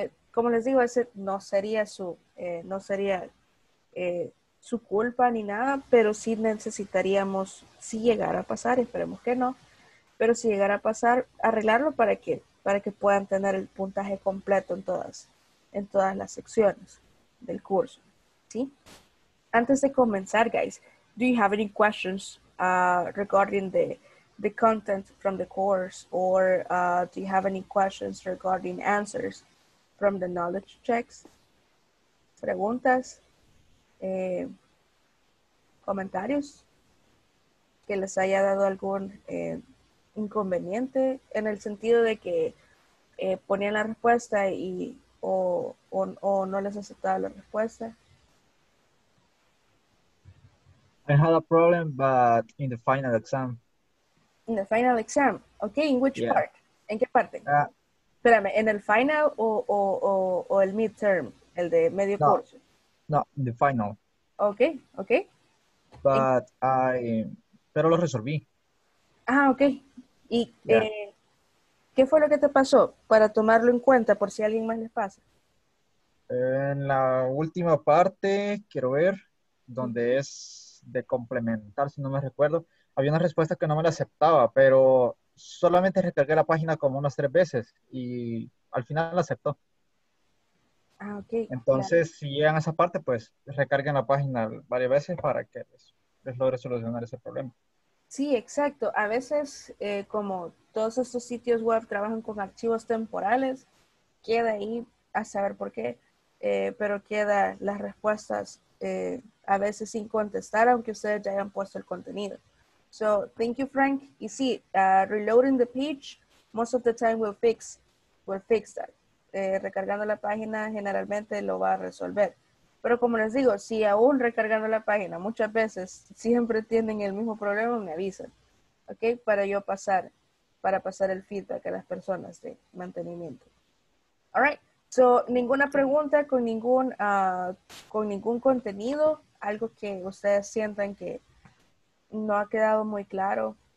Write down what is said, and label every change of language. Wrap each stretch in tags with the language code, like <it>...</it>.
<es>Como les digo, ese no sería su culpa ni nada, pero sí necesitaríamos, si llegara a pasar, esperemos que no, pero si llegara a pasar, arreglarlo para que puedan tener el puntaje completo en todas las secciones del curso. ¿Sí? Antes de comenzar,</es> <en>guys, do you have any questions regarding the content from the course, or do you have any questions regarding answers from the knowledge checks?</en> <es>¿Preguntas? ¿Comentarios? ¿Que les haya dado algún inconveniente en el sentido de que ponían la respuesta y o no les aceptaba la respuesta?</es> <en>I had a problem, but in the final exam. In the final exam, okay, in which part?</en> <es>¿En qué parte? Espérame, ¿en el final o el midterm, el de medio curso?</es> <en>No, in the final. Okay, okay.</en> <es>But pero lo resolví.</es> <en>Ah, okay.</en> <es>¿Y qué fue lo que te pasó para tomarlo en cuenta por si a alguien más les pasa? En la última parte, quiero ver, donde es de complementar, si no me recuerdo, había una respuesta que no me la aceptaba, pero solamente recargué la página como unas 3 veces y al final la aceptó.</es> <en>Ah, okay.</en> <es>Entonces, claro. Si llegan a esa parte, pues recarguen la página varias veces para que les logre solucionar ese problema. Sí, exacto. A veces, como todos estos sitios web trabajan con archivos temporales, queda ahí a saber por qué, pero queda las respuestas a veces sin contestar, aunque ustedes ya hayan puesto el contenido.</es> <en>So, thank you, Frank.</en> <es>Y sí,</es> <en>reloading the page, most of the time we'll fix that.</en> <es>Recargando la página generalmente lo va a resolver. Pero como les digo, si aún recargando la página muchas veces siempre tienen el mismo problema, me avisan. ¿Ok? Para pasar el feedback a las personas de mantenimiento.</es> <en>All right.</en> <es>So, ninguna pregunta con ningún contenido, algo que ustedes sientan que no ha quedado muy claro.</es>